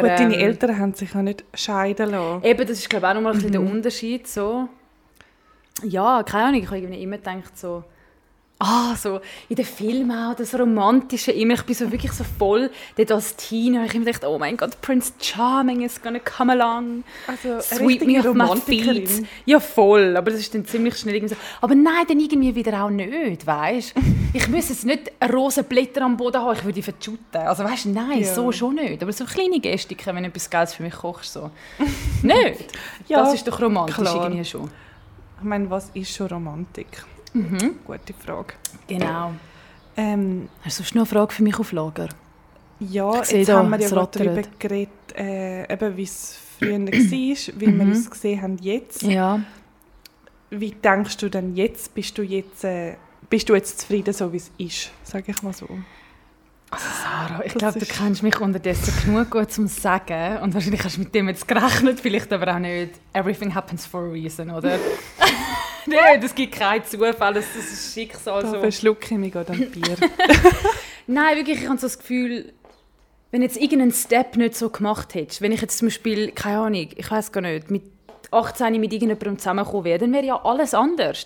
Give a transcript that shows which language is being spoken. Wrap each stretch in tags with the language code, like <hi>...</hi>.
<de>Gut, deine Eltern haben sich ja nicht scheiden lassen. Eben, das ist, glaube ich, auch nochmal ein der Unterschied, so. Ja, keine Ahnung, ich habe irgendwie immer gedacht, so, so in den Filmen auch, das Romantische immer. Ich bin so wirklich so voll, dort als Teen, habe ich immer gedacht, oh mein Gott,</de> <en>Prince Charming is gonna come along. Also, sweep me off my feet.</en> <de>Ja, voll. Aber das ist dann ziemlich schnell irgendwie so. Aber nein, dann irgendwie wieder auch nicht, weißt du? Ich müsste jetzt nicht Rosenblätter am Boden haben, ich würde die verschütten. Also, weißt du, nein, so schon nicht. Aber so kleine Gestiken, wenn du etwas Geiles für mich kochst, so. Nicht? Ja, das ist doch romantisch klar. Irgendwie schon. Ich meine, was ist schon Romantik? Gute Frage. Genau. Hast du sonst noch eine Frage für mich auf Lager? Ja, jetzt haben wir ja gerade darüber geredet, wie es früher war, wie wir es jetzt gesehen haben. Ja. Wie denkst du denn jetzt? Bist du jetzt zufrieden, so wie es ist? Sag ich mal so. Sarah, ich glaube, du kennst mich unterdessen genug gut zum Sagen. Und wahrscheinlich hast du mit dem jetzt gerechnet, vielleicht aber auch nicht.</de> <en>Everything happens for a reason, oder?</en> <de>Nein, das gibt keinen Zufall, das ist Schicksal. Da verschlucke ich mich gerade am Bier. Nein, wirklich, ich habe so das Gefühl, wenn jetzt irgendeinen Step nicht so gemacht hättest, wenn ich jetzt zum Beispiel, keine Ahnung, ich weiß gar nicht, mit 18 mit irgendjemandem zusammengekommen wäre, dann wäre ja alles anders.</de>